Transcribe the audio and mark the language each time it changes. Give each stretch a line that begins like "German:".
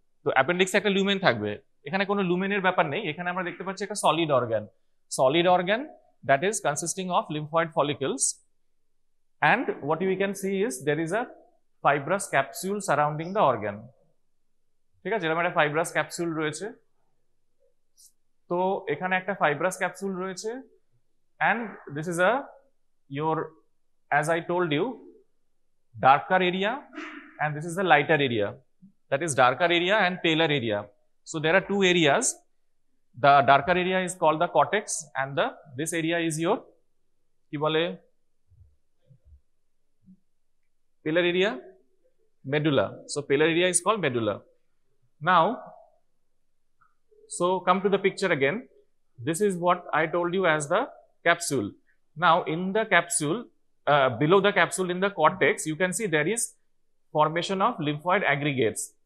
Bangla: So appendix ekta lumen thakbe. এখানে কোনো লুমেনের ব্যাপার নেই, এখানে আমরা দেখতে পাচ্ছি একটা solid organ. Solid organ
English: that is consisting of lymphoid follicles. And what we can see is there is a fibrous capsule surrounding the organ.
Bangla: ঠিক আছে, এরকম একটা ফাইব্রাস ক্যাপসুল রয়েছে।
English: তো এখানে একটা ফাইব্রাস ক্যাপসুল রয়েছে, and this is your, as I told you, darker area and this is the lighter area, that is darker area and paler area. So there are two areas, the darker area is called the cortex and the this area is your
Bangla: কি বলে
English: Paler area, medulla. So paler area is called medulla. Now, so come to the picture again. This is what I told you as the capsule. Now, in the capsule, below the capsule in the cortex, you can see there is formation of lymphoid aggregates.